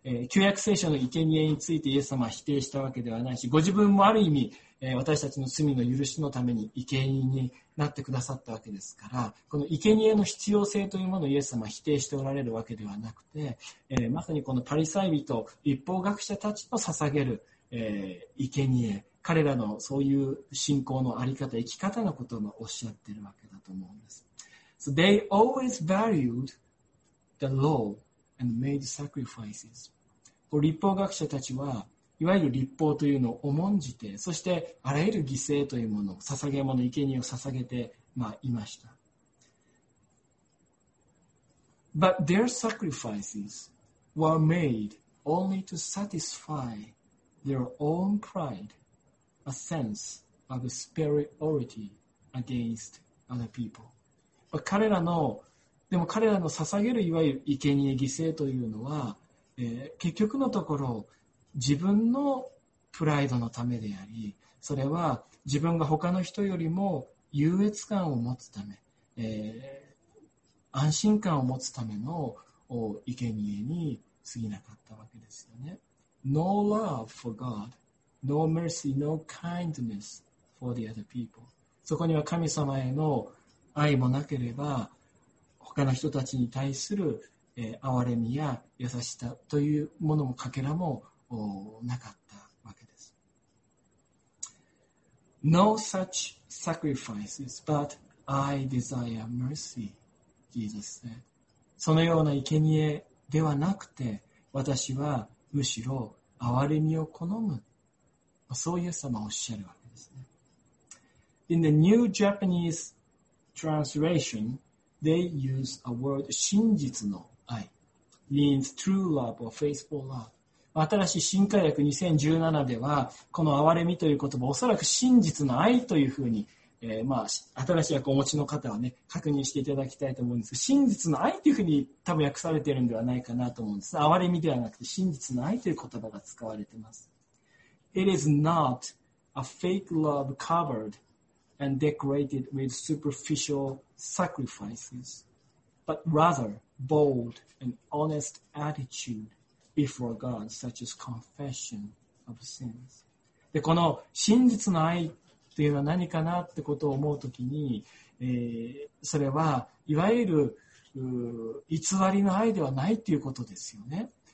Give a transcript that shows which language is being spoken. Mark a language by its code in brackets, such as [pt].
[ja] 旧約聖書の生贄についてイエス様は否定したわけではないし、ご自分もある意味、私たちの罪の許しのために生贄になってくださったわけですから、この生贄の必要性というものをイエス様は否定しておられるわけではなくて、まさにこのパリサイ人、律法学者たちの捧げる、生贄、彼らのそういう信仰のあり方、生き方のことをおっしゃっているわけだと思うんです。 [en] So they always valued the law and made sacrifices. [ja] 律法学者たちは、いわゆる律法というのを重んじて、そしてあらゆる犠牲というものを、捧げ物、生贄を捧げて、いました。 [en] But their sacrifices were made only to satisfy their own pride, a sense of superiority against other people. [ja] But 彼らの、でも彼らの捧げるいわゆる生贄、犠牲というのは、結局のところ、自分のプライドのためであり、それは自分が他の人よりも優越感を持つため、安心感を持つための生贄に過ぎなかったわけですよね。 [en] No love for God, no mercy, no kindness for the other people. [ja] そこには神様への愛もなければ、他の人たちに対する、憐れみや優しさというものもかけらもなかったわけです。 [en] No such sacrifices, but I desire mercy, Jesus said. [ja] そのような生贄ではなくて、私はむしろ憐れみを好む。そうイエス様はおっしゃるわけですね。 [en] In the New Japanese translation, they use a word 真実の愛 means true love or faithful love. [ja] 新しい新改訳2017では、この憐れみという言葉、おそらく真実の愛というふうに、新しい訳をお持ちの方はね、確認していただきたいと思うんですが、真実の愛というふうに多分訳されているんではないかなと思うんです。憐れみではなくて、真実の愛という言葉が使われています。 [en] It is not a fake love covered and decorated with superficial sacrifices, but rather bold and honest attitude. Before God, such as confession of sins. [ja] で、この真実の愛というのは何かなってことを思うときに、それはいわゆる偽りの愛ではないということですよね。